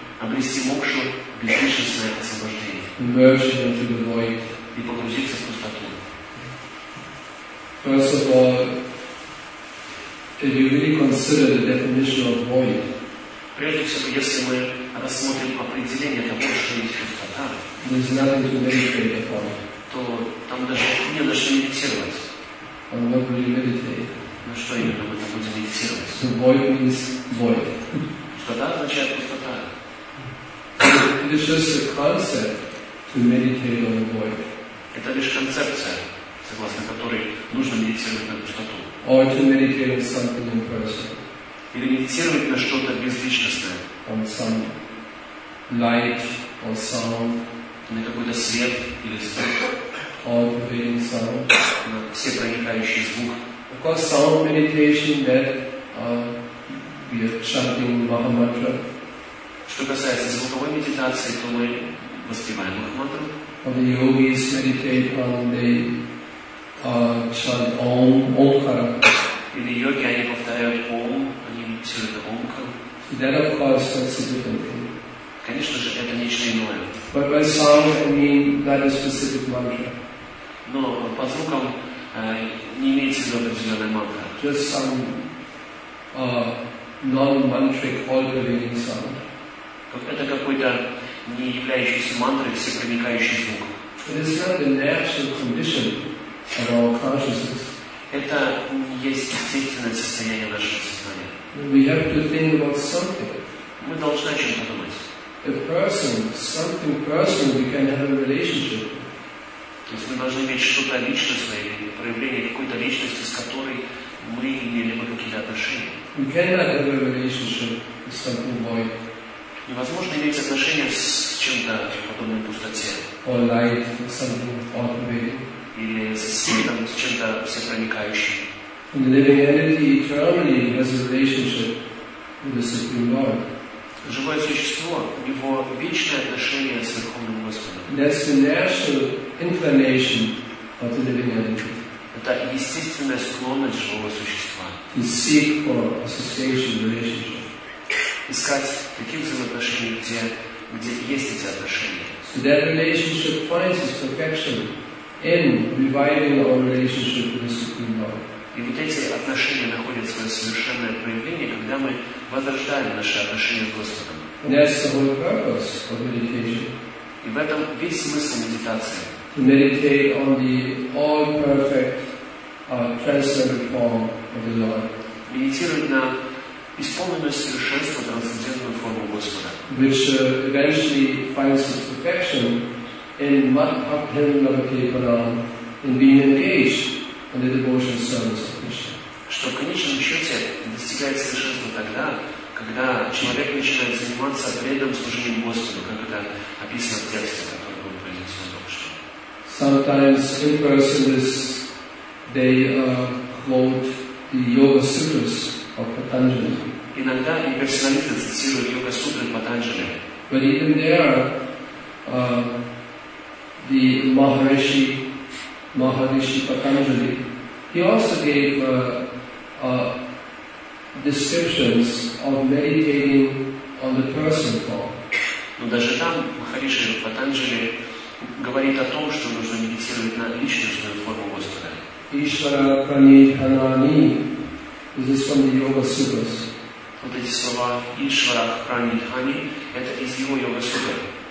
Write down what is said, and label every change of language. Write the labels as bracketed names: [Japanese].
[Russian] Обрести мокшу, безличностное освобождение. [English] Immersion into the void. [Russian] И погрузиться в пустоту. [English] First of all, if you really consider the definition of void. [Russian] Прежде всего, если мы рассмотрим определение того, что есть пустота, [English] there's nothing to meditate upon. [Russian] То там даже не на что медитировать. [English] On what will you meditate? [Russian] На что именно мы там будем медитировать? [English] The void means void. [Russian] Пустота означает пустота. [English] it is just a concept to meditate on the void. [Russian] Это лишь концепция, согласно которой нужно медитировать на пустоту. [English] Or to meditate on something impersonal. [Russian] Или медитировать на что-то безличностное. [English] On some light or sound. [Russian] На какой-то свет или звук. [English] All pervading sound. [Russian] На всепроникающий звук. [English] Of course, sound meditation that we are chanting Mahamantra. [Russian] Что касается звуковой медитации, то мы воспеваем Махамантру. [English] When the yogis meditate on the chant Om, Omkara. In the yogi, [Russian] они повторяют Om, они медитируют Omkara. [English] That of course, that's a different thing. [Russian] Конечно же, это нечто иное. [English] But by sound, I mean that is specific mantra. [Russian] Но по звукам не имеется в виду определенная мантра. [English] Just some non-mantric all-pervading sound. [Russian] Это какой-то не являющийся мантрой всепроникающий звук. [English] It is not the natural condition of our consciousness. [Russian] Это не есть естественное состояние нашего сознания. [English] We have to think about something. [Russian] Мы должны о чем-то думать. [English] A person, something personal, we can have a relationship. [Russian] То есть мы должны иметь что-то личностное, проявление какой-то личности, с которой мы имели бы какие-то отношения. [English] We cannot have a relationship with something void. [Russian] Невозможно иметь отношения с чем-то подобной пустоте. [English] Or light, something ordinary. [Russian] Или со светом, с чем-то всепроникающим. [English] And the living entity eternally has a relationship with the Supreme Lord. [Russian] Живое существо, его вечное отношение с Верховным Господом. [English] That's the natural inclination of the living entity. [Russian] Это естественная склонность живого существа. [English] To seek for association relationship. [Russian] Искать такие взаимоотношения, где есть эти отношения. [English] So that relationship finds its perfection in reviving our relationship with the Supreme Lord. [Russian] И вот эти отношения находят свое совершенное проявление, когда мы возрождаем наши отношения с Господом. [English] That's the whole purpose of meditation. [Russian] И в этом весь смысл медитации. [English] To meditate on the all-perfect, transcendent form of the Lord. [Russian] Медитировать на исполненную совершенство трансцендентную форму Господа. [English] Which eventually finds its perfection in Madhyamavakipanam, in being engaged and the devotion service of Krishna. [Russian] Что в конечном счете достигает совершенства тогда, когда человек начинает заниматься преданным служением Господу, как это описано в тексте, который был произнесен только что. [English] Sometimes impersonalists, they quote the Yoga Sutras of Patanjali. [Russian] Иногда имперсоналисты цитируют Йога Сутры Патанджали. [English] But even there, the Maharishi Maharishi Patanjali, he also gave descriptions of meditating on the person form. [Russian] Но даже там Махариши Патанджали говорит о том, что нужно медитировать на личностную форму Господа. [English] Ишвара Пранитханани, this is from the Yoga Sutras. [Russian] Вот эти слова Ишвара Пранитхани, это из его Йога Сутр.